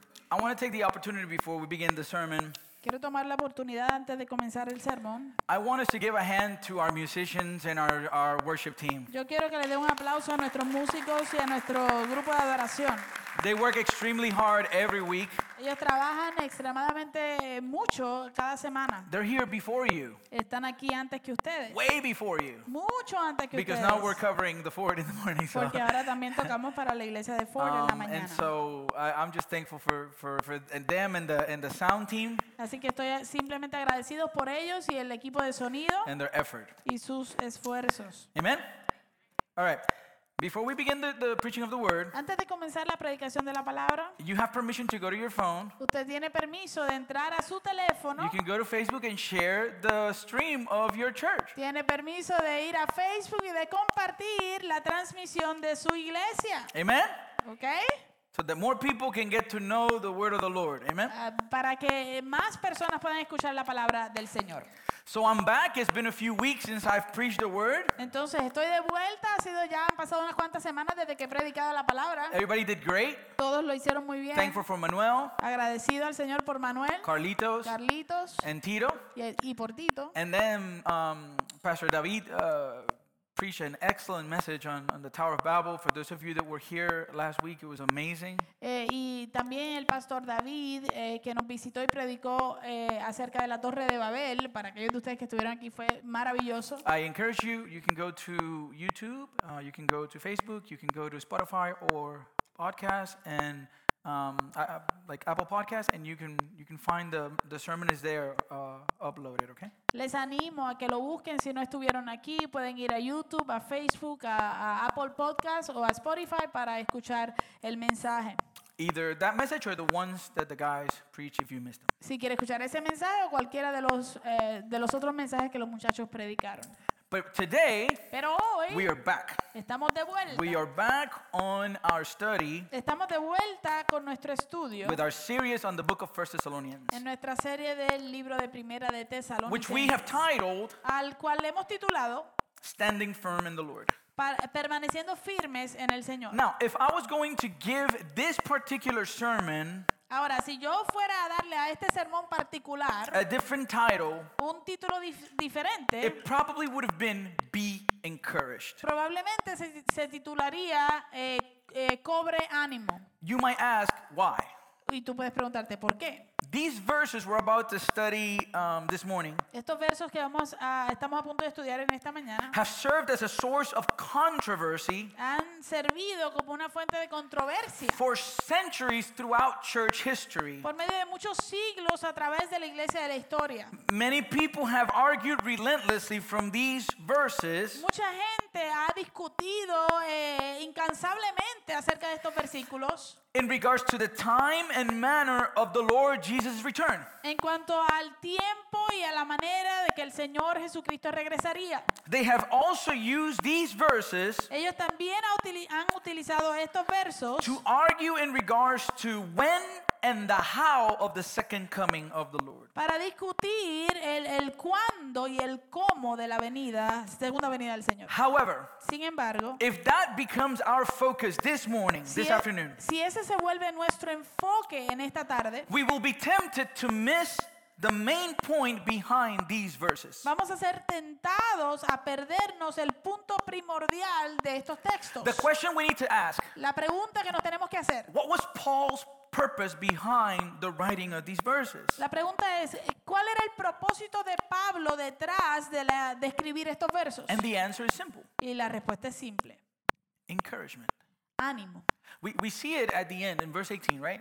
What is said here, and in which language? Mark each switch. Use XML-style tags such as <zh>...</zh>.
<en>I want to take the opportunity before we begin the sermon.</en> <es>Quiero tomar la oportunidad antes de comenzar el sermón.</es> <en>I want us to give a hand to our musicians and our worship team.</en> <es>Yo quiero que le dé un aplauso a nuestros músicos y a nuestro grupo de adoración.</es> <en>They work extremely hard every week.</en> <es>Ellos trabajan extremadamente mucho cada semana.</es> <en>They're here before you.</en> <es>Están aquí antes que ustedes.</es> <en>Way before you.</en> <es>Mucho antes que ustedes.</es> <en>Because now we're covering the Ford in the morning. So.</en> <es>Porque ahora también tocamos para la iglesia de Ford en la mañana.</es> <en>And so I'm just thankful for them and the sound team.</en> <es>Así que estoy simplemente agradecido por ellos y el equipo de sonido.</es> <en>And their effort.</en> <es>Y sus esfuerzos.</es> <en>Amen. All right. Before we begin the preaching of the word,</en> <es>antes de comenzar la predicación de la palabra,</es> <en>you have permission to go to your phone.</en> <es>Usted tiene permiso de entrar a su teléfono.</es> <en>You can go to Facebook and share the stream of your church.</en> <es>Tiene permiso de ir a Facebook y de compartir la transmisión de su iglesia.</es> <en>Amen. Okay. So that more people can get to know the word of the Lord. Amen.</en> <es>Para que más personas puedan escuchar la palabra del Señor.</es> <en>So I'm back. It's been a few weeks since I've preached the word.</en> <es>Entonces estoy de vuelta. Han pasado unas cuantas semanas desde que he predicado la palabra.</es> <en>Everybody did great.</en> <es>Todos lo hicieron muy bien.</es> <en>Thankful for Manuel.</en> <es>Agradecido al Señor por Manuel.</es> <en>Carlitos. And Tito.</en> <es>Y por Tito.</es> <en>And then Pastor David preached an excellent message on the Tower of Babel. For those of you that were here last week, it was amazing.</en> <es>Y también el pastor David que nos visitó y predicó acerca de la Torre de Babel. Para aquellos de ustedes que estuvieron aquí, fue maravilloso.</es> <en>I encourage you. You can go to YouTube. You can go to Facebook. You can go to Spotify or podcast and like Apple Podcasts, and you can find the sermon is there uploaded. Okay.</en> <es>Les animo a que lo busquen si no estuvieron aquí. Pueden ir a YouTube, a Facebook, a Apple Podcasts o a Spotify para escuchar el mensaje.</es> <en>Either that message or the ones that the guys preach if you missed them.</en> <es>Si quiere escuchar ese mensaje o cualquiera de los otros mensajes que los muchachos predicaron.</es> <en>But today,</en> <es>pero hoy,</es> <en>we are back.</en> <es>Estamos de vuelta.</es> <en>We are back on our study.</en> <es>Estamos de vuelta con nuestro estudio.</es> <en>With our series on the book of 1 Thessalonians.</en> <es>En nuestra serie del libro de Primera de Tesalonicenses.</es> <en>Which we have titled,</en> <es>al cual hemos titulado,</es> <en>Standing Firm in the Lord.</en> <es>Permaneciendo firmes en el Señor.</es> <en>Now, if I was going to give this particular sermon,</en> <es>ahora, si yo fuera a darle a este sermón particular</es> <en>a different title,</en> <es>un título diferente,</es> <en>it probably would have been Be Encouraged.</en> <es>Probablemente se titularía Cobre Ánimo.</es> <en>You might ask, why?</en> <es>Y tú puedes preguntarte, ¿por qué?</es> <en>These verses we're about to study this morning,</en> <es>estos versos que estamos a punto de estudiar en esta mañana,</es> <en>have served as a source of controversy,</en> <es>han servido como una fuente de controversia,</es> <en>for centuries throughout church history,</en> <es>por medio de muchos siglos a través de la iglesia de la historia.</es> <en>Many people have argued relentlessly from these verses,</en> <es>mucha gente ha discutido incansablemente acerca de estos versículos,</es> <en>in regards to the time and manner of the Lord Jesus' return.</en> <es>En cuanto al tiempo y a la manera de que el Señor Jesucristo regresaría.</es> <en>They have also used these verses.</en> <es>Ellos también han utilizado estos versos.</es> <en>To argue in regards to when and the how of the second coming of the Lord.</en> <es>Para discutir el cuándo y el cómo de la venida, segunda venida del Señor.</es> <en>However,</en> <es>sin embargo,</es> <en>if that becomes our focus this morning, this afternoon,</en> <es>si ese se vuelve nuestro enfoque en esta tarde,</es> <en>we will be tempted to miss the main point behind these verses.</en> <es>Vamos a ser tentados a perdernos el punto primordial de estos textos.</es> <en>The question we need to ask.</en> <es>La pregunta que nos tenemos que hacer.</es> <en>What was Paul's purpose behind the writing of these verses?</en> <es>La pregunta es, ¿cuál era el propósito de Pablo detrás de la de escribir estos versos?</es> <en>And the answer is simple.</en> <es>Y la respuesta es simple.</es> <en>Encouragement.</en> <es>Ánimo.</es> <en>We see it at the end in verse 18, right?</en>